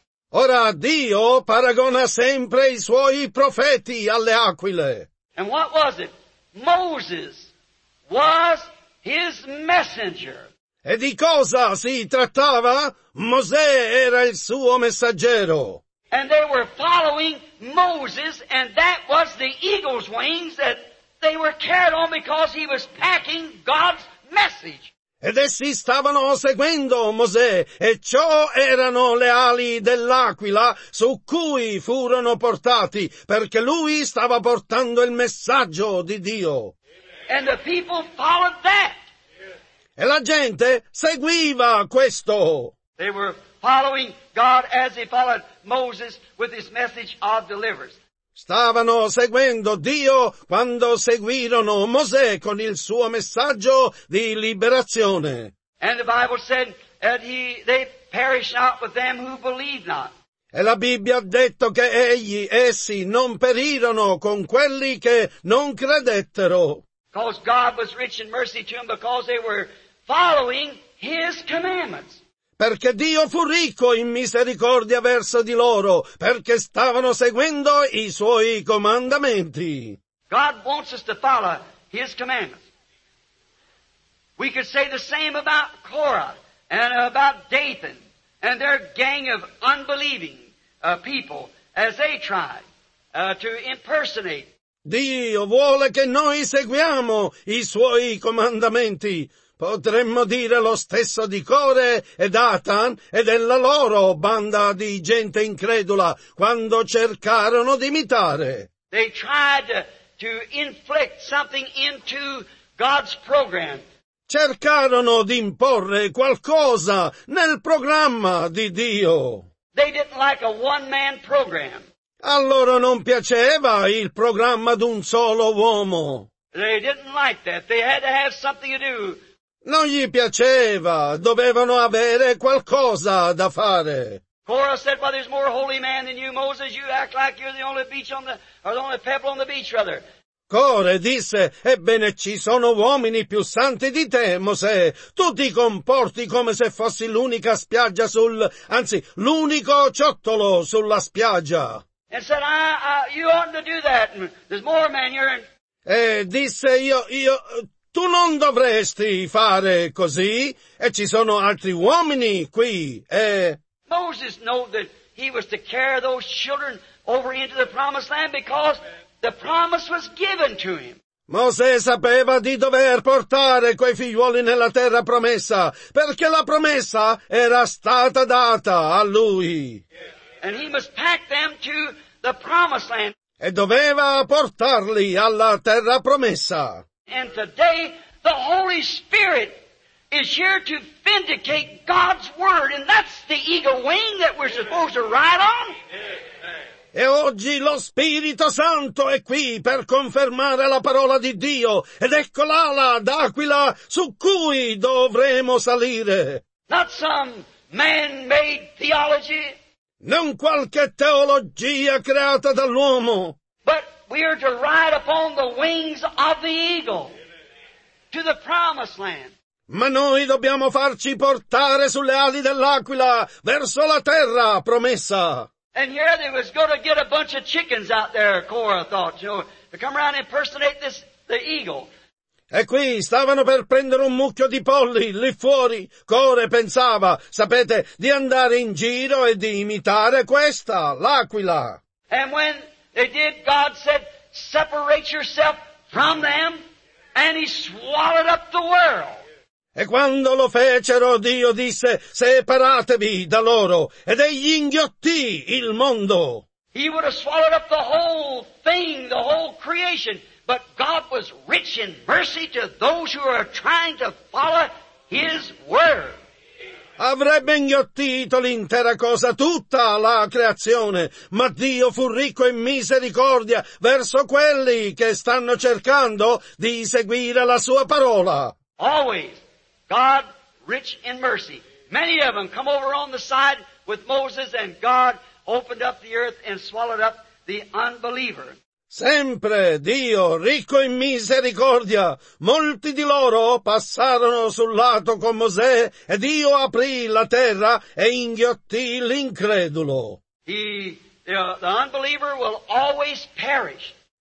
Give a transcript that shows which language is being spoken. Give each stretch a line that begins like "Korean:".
Italian: Ora Dio paragona sempre i suoi profeti alle aquile.
English: And what was it? Moses was his messenger.
Italian: E di cosa si trattava? Mosè era il suo messaggero.
English: And they were following Moses, and that was the eagle's wings that they were carried on because he was packing God's message.
Italian: Ed essi stavano seguendo Mosè, e ciò erano le ali dell'aquila su cui furono portati, perché lui stava portando il messaggio di Dio.
English: And the people followed that.
Italian: E la gente seguiva questo.
English: They were following God as they followed Moses with his message of deliverance.
Italian: Stavano seguendo Dio quando seguirono Mosè con il suo messaggio di liberazione.
English: And the Bible said that they perish not with them who believe not.
Italian: E la Bibbia ha detto che essi non perirono con quelli che non credettero.
English: Because God was rich in mercy to them because they were following His commandments.
Italian: Perché Dio fu ricco in misericordia verso di loro, perché stavano seguendo i Suoi comandamenti.
English: God wants us to follow His commandments. We could say the same about Korah and about Dathan and their gang of unbelieving people as they tried to impersonate.
Italian: Dio vuole che noi seguiamo i suoi comandamenti. Potremmo dire lo stesso di Core e Datan e della loro banda di gente incredula quando cercarono di imitare.
English: They tried to inflict something into God's program.
Italian: Cercarono di imporre qualcosa nel programma di Dio.
English: They didn't like a one-man program.
Italian: Allora non piaceva il programma d'un solo uomo.
English: They didn't like that. They had to have something to do.
Italian: Non gli piaceva, dovevano avere qualcosa da fare.
English: Korah said, "Well, there's more holy man than you, Moses. You act like you're the only beach on the, or the only pebble on the beach, rather."
Italian: Core disse, ebbene ci sono uomini più santi di te, Mosè. Tu ti comporti come se fossi l'unica spiaggia sul, anzi, l'unico ciottolo sulla spiaggia.
English: And said, you oughtn't to do that. There's more men here.
Italian: E disse, tu non dovresti fare così. E ci sono altri uomini qui. E
English: Moses knew that he was to carry those children over into the promised land because the promise was given to him.
Italian: Mosè sapeva di dover portare quei figliuoli nella terra promessa perché la promessa era stata data a lui.
English: And he must pack them to the promised land.
Italian: E doveva portarli alla terra promessa.
English: And today the Holy Spirit is here to vindicate God's word, and that's the eagle wing that we're supposed to ride on.
Italian: E oggi lo Spirito Santo è qui per confermare la parola di Dio, ed ecco l'ala d'aquila su cui dovremo salire.
English: Not some man-made theology.
Italian: Non qualche teologia creata dall'uomo.
English: But we are to ride upon the wings of the eagle to the promised land.
Italian: Ma noi dobbiamo farci portare sulle ali dell'aquila verso la terra promessa.
English: And here they was going to get a bunch of chickens out there, Korah thought, to come around and impersonate the eagle.
Italian: E qui stavano per prendere un mucchio di polli lì fuori. Core pensava, sapete, di andare in giro e di imitare questa, l'aquila.
English: And when they did, God said, "Separate yourself from them," and he swallowed up the world.
Italian: E quando lo fecero, Dio disse, separatevi da loro, ed egli inghiottì il mondo.
English: He would have swallowed up the whole thing, the whole creation, but God was rich in mercy to those who are trying to follow his word.
Italian: Avrebbe inghiottito l'intera cosa, tutta la creazione, ma Dio fu ricco in misericordia verso quelli che stanno cercando di seguire la sua parola.
English: Always. God, rich in mercy. Many of them come over on the side with Moses, and God opened up the earth and swallowed up the unbeliever.
Italian: Sempre Dio, ricco in misericordia. Molti di loro passarono sul lato con Mosè, e Dio aprì la terra e inghiottì l'incredulo.
English: The unbeliever will always perish.